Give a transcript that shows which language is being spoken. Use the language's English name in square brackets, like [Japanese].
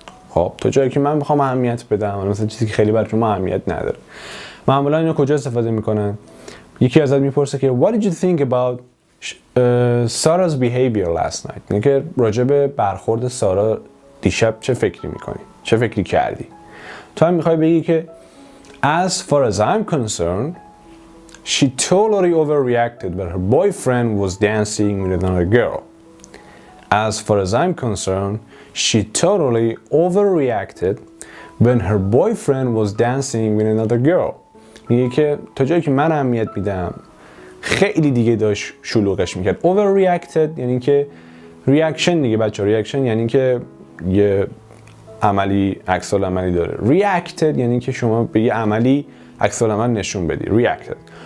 [Persian] خب تا جایی که من میخوام اهمیت بدم، مثلا چیزی که خیلی برای شما اهمیت نداره. معمولا اینو کجا استفاده میکنن؟ یکی ازت میپرسه که [English] what did you think about Sarah's behavior last night؟ [Persian] یعنی که راجع به برخورد سارا دیشب چه فکری میکنی، چه فکری کردی. تو هم میخوای بگی که [English] as far as I'm concerned she totally overreacted but her boyfriend was dancing with another girl. As far as I'm concerned she totally overreacted when her boyfriend was dancing with another girl. [Persian] میگه که تا جایی که من اهمیت میدم خیلی دیگه داشت شلوغش میکرد. Overreacted یعنی که reaction دیگه بچه ها. reaction یعنی که یه عملی عکس العملی داره. reacted یعنی که شما به یه عملی عکس العمل نشون بدی. reacted.